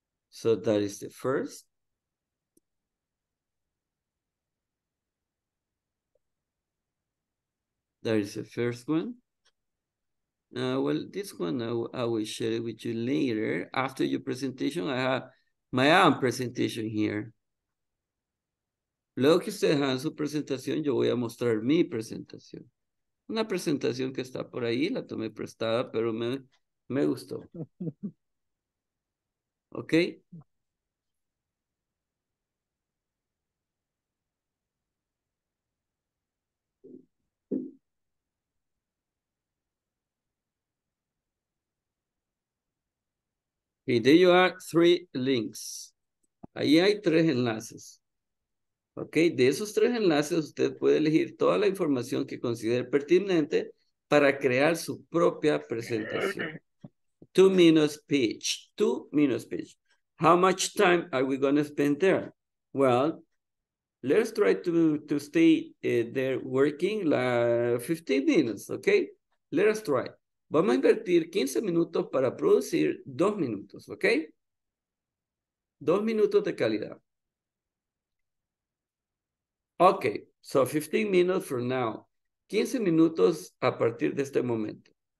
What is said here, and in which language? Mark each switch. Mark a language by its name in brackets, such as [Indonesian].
[English] So that is the first. That is the first one. Well, this one I will share it with you later after your presentation. I have my own presentation here. [Spanish] Luego que ustedes hagan su presentación, yo voy a mostrar mi presentación. Una presentación que está por ahí, la tomé prestada, pero me gustó. ¿Ok? [English] Y there you are, 3 links. [Spanish] Ahí hay 3 enlaces. Ok, de esos 3 enlaces usted puede elegir toda la información que considere pertinente para crear su propia presentación. [English] 2 minute speech. 2 minute speech. How much time are we going to spend there? Well, let's try to stay there working like 15 minutes, ok? Let us try. [Spanish] Vamos a invertir 15 minutos para producir 2 minutos, ok? 2 minutos de calidad. [English] Okay, so 15 minutes from now. [Spanish] 15 minutos a partir de este momento.